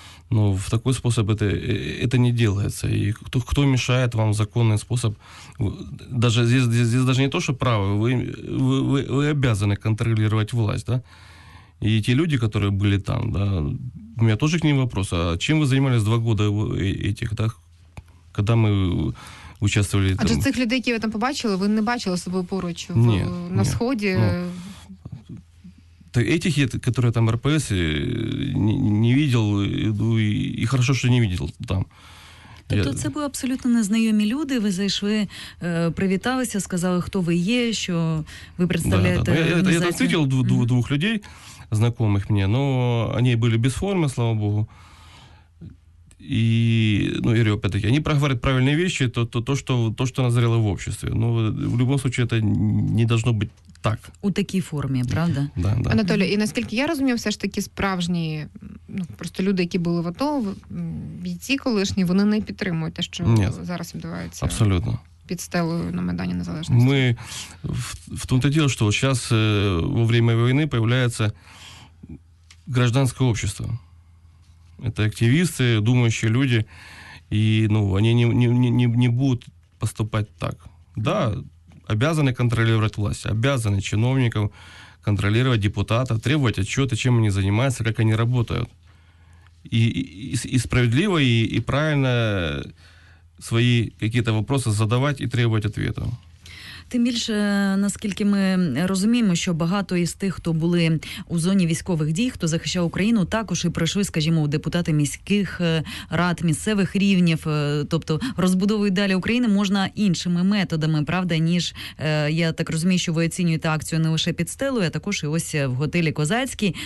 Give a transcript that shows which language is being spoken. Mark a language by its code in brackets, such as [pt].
[ru] Но в такой способ это не делается. И кто мешает вам законный способ? Даже здесь даже не то, что право, вы обязаны контролировать власть, да? И те люди, которые были там, да, у меня тоже к ним вопрос. А чем вы занимались два года этих, да? Когда мы участвовали [uk] там? А же цих людей, які ви там побачили, ви не бачили з собою поруч на сході? [ru] Так этих, которые там РПС, не видел, и хорошо, что не видел там. [uk] Тобто це були абсолютно незнайомі люди, ви зайшли, привіталися, сказали, хто ви є, що ви представляєте організацію. Я зустрів двох людей, знайомих мені, але вони були без форми, слава Богу. [ru] И, ну, я говорю, опять-таки, они проговорят правильные вещи, то, что назрело в обществе. Но в любом случае это не должно быть так. [uk] У такій формі, правда? [ru] Да, да. [uk] Анатолій, і наскільки я розумію, все ж таки справжні, ну, просто люди, які були в АТО, бійці колишні, вони не підтримують те, що зараз відбувається. Абсолютно. Під стелою на Майдані Незалежності. Ми, в тому-то діло, що зараз, [ru] во время [uk] війни, появляється гражданське общество. [ru] Это активисты, думающие люди, и, ну, они не будут поступать так. Да, обязаны контролировать власть, обязаны чиновников контролировать, депутатов, требовать отчеты, чем они занимаются, как они работают. И справедливо, и правильно свои какие-то вопросы задавать и требовать ответов. [uk] Тим більше, наскільки ми розуміємо, що багато із тих, хто були у зоні військових дій, хто захищав Україну, також і пройшли, скажімо, депутати міських рад, місцевих рівнів, тобто розбудовують далі України, можна іншими методами, правда, ніж, я так розумію, що ви оцінюєте акцію не лише під стелою, а також і ось в готелі Козацький.